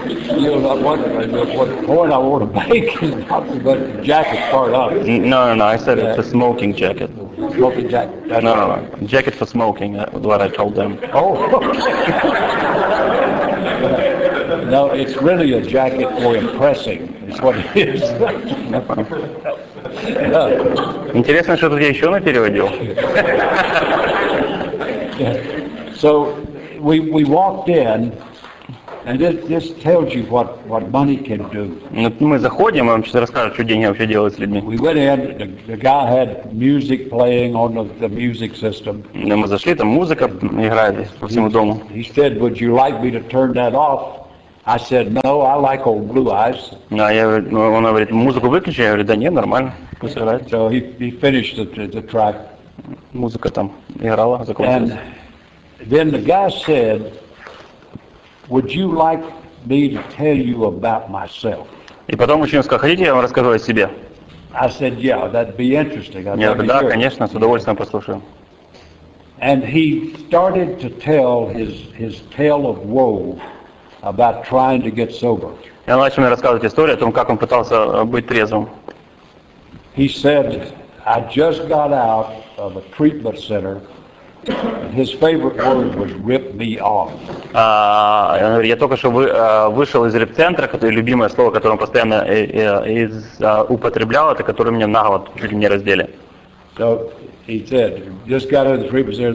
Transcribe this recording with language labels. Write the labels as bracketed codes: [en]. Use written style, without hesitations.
[en] You know, I wonder what point I want to make, but the jacket's part of it. No, I said it's a smoking jacket. Smoking jacket. No. Jacket for smoking, that was what I told them. Oh. No, it's really a jacket for impressing. It's what it is. [ru] Интересно, что тут я еще напереводил. [en] So we walked in, and this tells you what money can do. [ru] Мы заходим, он сейчас расскажет, что деньги вообще делают с людьми. [en] We went in, the guy had music playing on the music system. [ru] Мы зашли, там музыка играет по всему дому. [en] He said, "Would you like me to turn that off?" I said, "No, I like old Blue Eyes." [ru] No, он говорит, музыку выключи. Я говорю, да нет, нормально, пусть играет. [en] So he finished the track. [ru] Музыка там играла, закончилась. [en] And then the guy said, "Would you like me to tell you about myself?" [ru] И потом мужчина сказал, хотите, я вам расскажу о себе. [en] I said, "Yeah, that'd be interesting." [ru] Я говорю, да, конечно, с удовольствием послушаю. [en] And he started to tell his tale of woe about trying to get sober. [ru] Я начал мне рассказывать историю о том, как он пытался быть трезвым. [en] He said, "I just got out of a treatment center." His favorite word was "rip me off." [ru] Я только что вышел из реп-центра, которое любимое слово, которое он постоянно употреблял, это которое мне нагло чуть ли не раздели. [en] So he said, "Just got out of the treatment center.